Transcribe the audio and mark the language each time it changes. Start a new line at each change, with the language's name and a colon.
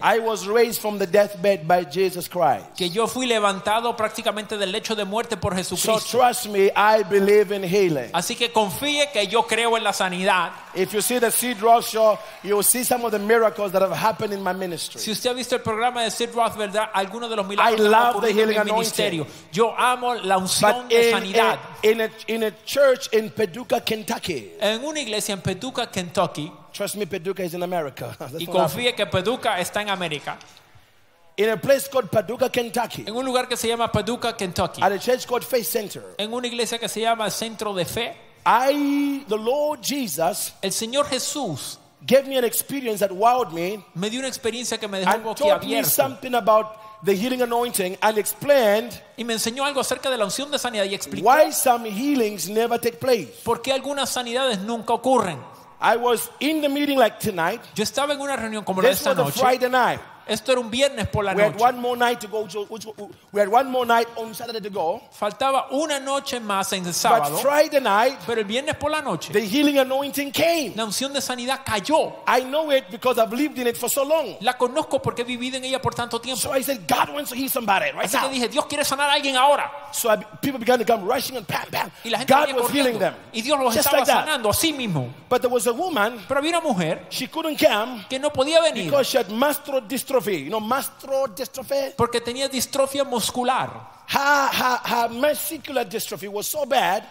English: I was raised from the deathbed by Jesus Christ.
Spanish: Que yo fui levantado prácticamente del lecho de muerte por Jesucristo.
English: So trust me, I believe in healing.
Spanish: Así que confíe que yo creo en la sanidad.
English: If you see the Sid Roth show, you will see some of the miracles that have happened in my ministry.
Spanish: Si usted ha visto el programa de Sid Roth. pruebas, ¿verdad? Algunos de los milagros que están ocurriendo en el ministerio. Yo amo la unción de sanidad.
English: In a church in Paducah, Kentucky.
Spanish: En una iglesia en Paducah, Kentucky.
English: Trust me, Paducah is in America.
Spanish: Y confíe que Paducah está en América.
English: In a place called Paducah, Kentucky.
Spanish: En un lugar que se llama Paducah, Kentucky.
English: At a church called Faith Center.
Spanish: En una iglesia que se llama Centro de Fe.
English: The Lord Jesus,
Spanish: el Señor Jesús,
English: gave me an experience that wowed me.
Spanish: Me dio una experiencia que me dejó boquiabierto.
English: And told me something about the healing anointing and explained.
Spanish: Y me enseñó algo acerca de la unción de sanidad y explicó.
English: Why some healings never take place?
Spanish: ¿Por qué algunas sanidades nunca ocurren?
English: I was in the meeting like tonight.
Spanish: Yo estaba en una reunión como esta noche.
English: This was a Friday night.
Spanish: Esto era un viernes por la
English: noche. We had one more night to go. We had one more night on Saturday to go.
Spanish: Faltaba una noche más en el sábado.
English: But Friday night,
Spanish: pero el viernes por la noche,
English: the healing anointing came.
Spanish: La unción de sanidad cayó.
English: I know it because I've lived in it for so long.
Spanish: La conozco porque he vivido en ella por tanto tiempo.
English: So I said, God wants to heal somebody right
Spanish: now. Así que dije, Dios quiere sanar a alguien ahora.
English: So people began to come rushing and bam, bam.
Spanish: Y la gente
English: God was healing them.
Spanish: Y Dios los
English: just
Spanish: estaba
English: like that.
Spanish: Sanando a sí mismo.
English: But there was a woman.
Spanish: Pero había una mujer.
English: She couldn't come.
Spanish: Que no podía venir.
English: Because she had mastro distro. You know, mastro dystrophy.
Spanish: Porque tenía distrofia muscular.
English: Her muscular dystrophy was so bad.